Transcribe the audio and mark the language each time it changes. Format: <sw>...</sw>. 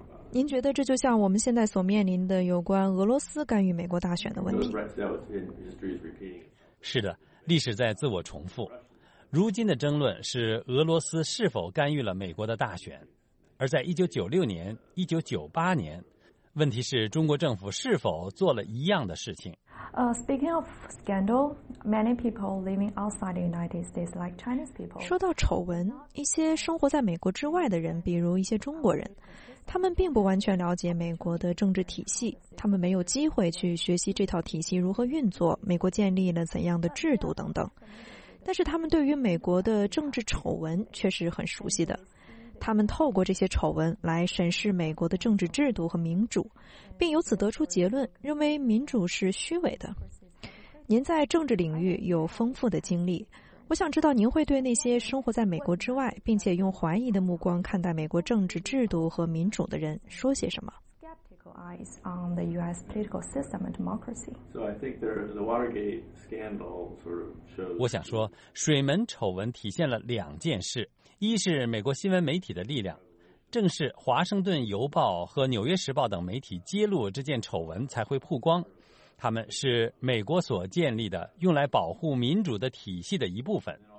<zh>您觉得这就像我们现在所面临的有关俄罗斯干预美国大选的问题？是的，历史在自我重复。如今的争论是俄罗斯是否干预了美国的大选，而在1996年、1998年，问题是中国政府是否做了一样的事情。</zh> <en>Speaking of scandal, many people living outside the United States, like Chinese people.</en> <zh>说到丑闻，一些生活在美国之外的人，比如一些中国人，他们并不完全了解美国的政治体系，他们没有机会去学习这套体系如何运作，美国建立了怎样的制度等等。但是他们对于美国的政治丑闻却是很熟悉的。他们透过这些丑闻来审视美国的政治制度和民主，并由此得出结论，认为民主是虚伪的。您在政治领域有丰富的经历，我想知道您会对那些生活在美国之外，并且用怀疑的目光看待美国政治制度和民主的人说些什么。</zh> <en>Skeptical eyes on the U.S. political system and democracy. So I think the Watergate scandal sort of shows.</en> <zh>我想说，水门丑闻体现了两件事：一是美国新闻媒体的力量，正是《华盛顿邮报》和《纽约时报》等媒体揭露这件丑闻才会曝光。他们是美国所建立的用来保护民主的体系的一部分。</zh>